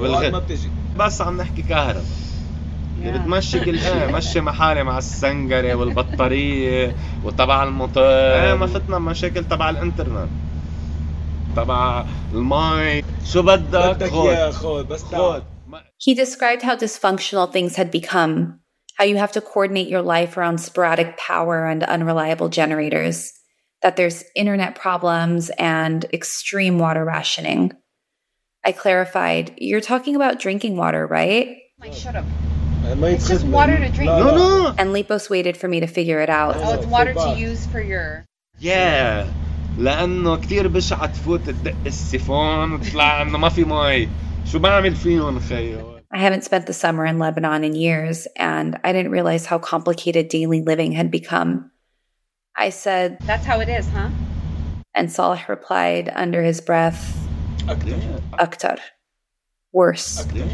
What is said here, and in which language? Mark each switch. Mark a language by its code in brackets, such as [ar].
[en] we're talking about the [ar] اللي بتمشي كل شيء مشي محالي مع السنجرة والبطارية وتبع المطار ما فتنا مشاكل تبع الانترنت تبع المي شو بدك يا خود بس خود. [en] He described how dysfunctional things had become, how you have to coordinate your life around sporadic power and unreliable generators, that there's internet problems and extreme water rationing. I clarified, you're talking about drinking water, right? Mike, shut up. It's just water to drink. No. And Lipos waited for me to figure it out. Oh, it's water to use for your... Yeah. [ar] لأنه كتير بشعة تفوت تدق السيفون وتطلع أنه ما في مي. شو بعمل فيهم خيو؟ [en] I haven't spent the summer in Lebanon in years, and I didn't realize how complicated daily living had become. I said... That's how it is, huh? And Saleh replied under his breath... [ar] Akhtar. [en] Worse.